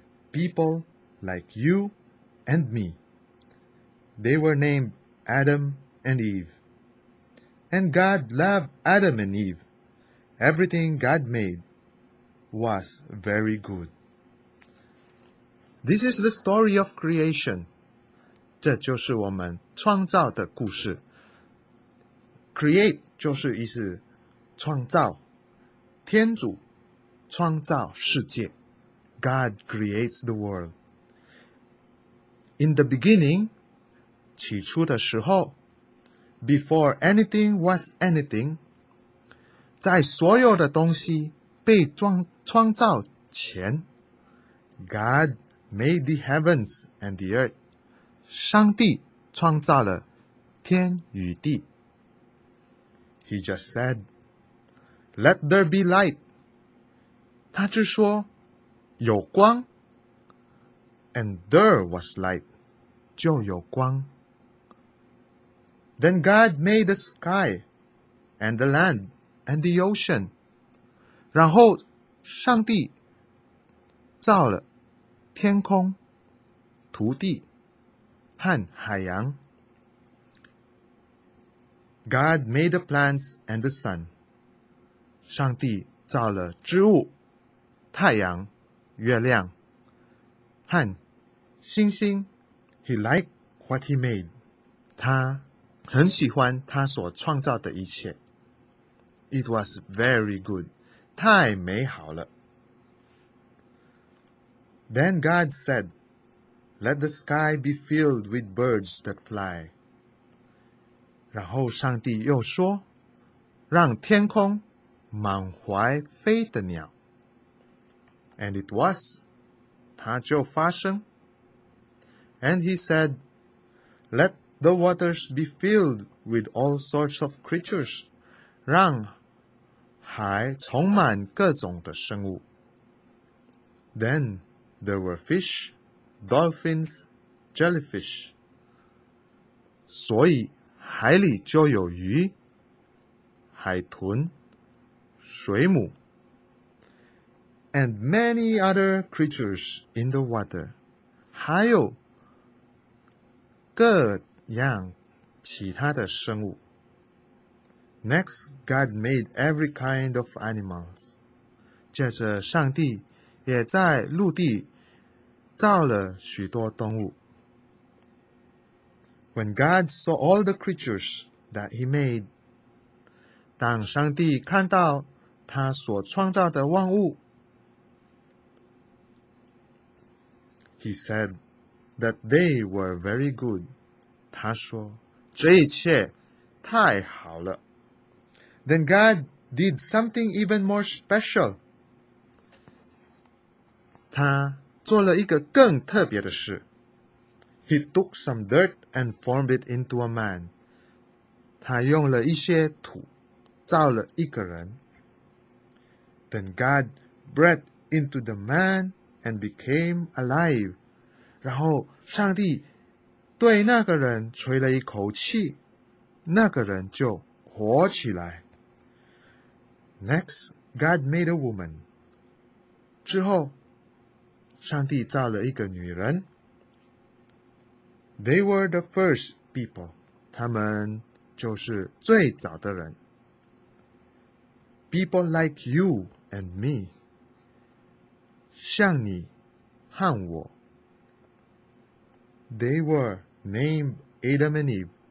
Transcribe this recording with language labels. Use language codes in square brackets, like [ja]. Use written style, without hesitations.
[en] People like you and me. They were named Adam and Eve. And God loved Adam and Eve. Everything God made was very good. This is the story of creation. [zh] 这就是我们创造的故事。Create 就是意思创造，天主创造世界。 [en] God creates the world. In the beginning, [zh] 起初的时候 [en] ,before anything was anything, [zh] 在所有的东西被创造前 [en] ,God made the heavens and the earth. [zh] 上帝创造了天与地。 [en] He just said, "Let there be light." [zh] 他只说有光 [en] And there was light, [zh] 就有光 [en] Then God made the sky and the land and the ocean. [zh] 然后上帝造了天空、土地和海洋。 [en] God made the plants and the sun. [zh] 上帝造了植物、太阳、月亮和星星。 [en] He liked what he made. [zh] 他很喜欢他所创造的一切。 [en] It was very good. [zh] 太美好了。 [en] Then God said, Let the sky be filled with birds that fly. [zh] 然后上帝又说，让天空满怀飞的鸟。 [en] And it was, [zh] 它就发生。 [en] And he said, Let the waters be filled with all sorts of creatures, [zh] 让海充满各种的生物。 [en] Then there were fish, dolphins, jellyfish. [zh] 所以海里就有鱼、海豚、水母。 [en] And many other creatures in the water. [zh] 还有各样其他的生物。 [en] Next, God made every kind of animals. [zh] 接着上帝也在陆地造了许多动物。 [en] When God saw all the creatures that he made, [zh] 当上帝看到他所创造的万物， [en] He said that they were very good. [zh] 他说，这一切太好了。 [en] Then God did something even more special. [zh] 他做了一个更特别的事。 [en] He took some dirt and formed it into a man. [zh] 他用了一些土造了一个人。 [en] Then God breathed into the man and became alive. [zh] 然后上帝对那个人吹了一口气，那个人就活起来。 [en] Next, God made a woman. [zh] 之后，上帝造了一个女人。 [en] They were the first people. [zh] 他们就是最早的人。 [en] People like you and me. [zh] 像你和我。 [en] They were named Adam and Eve.